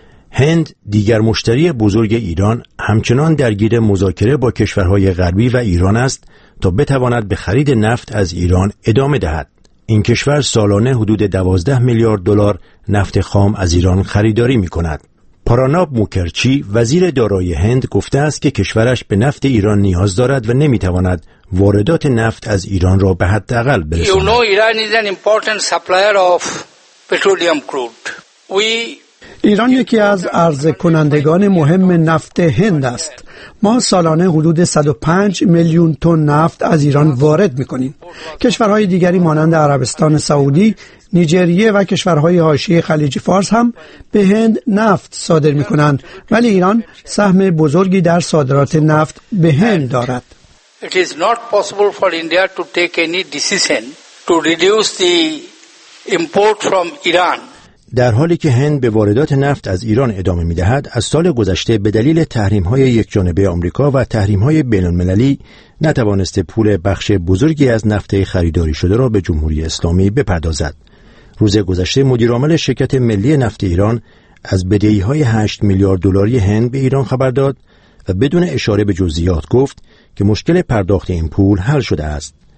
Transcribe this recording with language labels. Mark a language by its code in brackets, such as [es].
[fa] هند، دیگر مشتری بزرگ ایران، همچنان درگیر مذاکره با کشورهای غربی و ایران است تا بتواند به خرید نفت از ایران ادامه دهد. این کشور سالانه حدود 12 میلیارد دلار نفت خام از ایران خریداری می کند. پاراناب موکرچی، وزیر دارایی هند، گفته است که کشورش به نفت ایران نیاز دارد و نمی تواند واردات نفت از ایران را به حداقل برساند. [en] You know, Iran is an important supplier of petroleum crude. [fa] ایران یکی از عرضه کنندگان مهم نفت هند است. ما سالانه حدود 105 میلیون تن نفت از ایران وارد می‌کنیم. کشورهای دیگری مانند عربستان سعودی، نیجریه و کشورهای حاشیه خلیج فارس هم به هند نفت صادر می‌کنند، ولی ایران سهم بزرگی در صادرات نفت به هند دارد. [en] It is not possible for India to take any decision to reduce the import from Iran. [fa] در حالی که هند به واردات نفت از ایران ادامه می‌دهد، از سال گذشته به دلیل تحریم‌های یکجانبه آمریکا و تحریم‌های بین‌المللی نتوانسته پول بخش بزرگی از نفت خریداری شده را به جمهوری اسلامی بپردازد. روز گذشته مدیر عامل شرکت ملی نفت ایران از بدهی‌های 8 میلیارد دلاری هند به ایران خبر داد و بدون اشاره به جزئیات گفت که مشکل پرداخت این پول حل شده است.